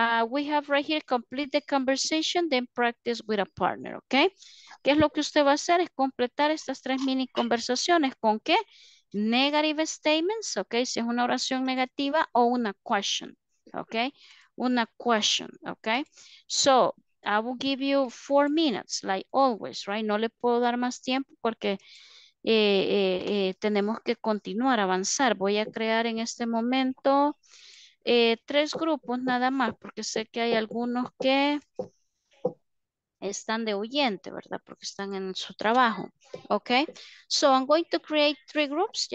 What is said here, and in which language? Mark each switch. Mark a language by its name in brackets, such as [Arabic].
[English] We have right here, complete the conversation, then practice with a partner, okay? [Spanish] ¿Qué es lo que usted va a hacer? Es completar estas tres mini conversaciones. ¿Con qué? Negative statements, okay? Si es una oración negativa o una question, okay? Una question, okay? [English] So, I will give you 4 minutes, like always, right? [Spanish] No le puedo dar más tiempo porque tenemos que continuar, avanzar. Voy a crear en este momento... 3 grupos nada más, porque sé que hay algunos que están de huyente, ¿verdad? Porque están en su trabajo, [English] ¿ok? So, I'm going to create 3 groups.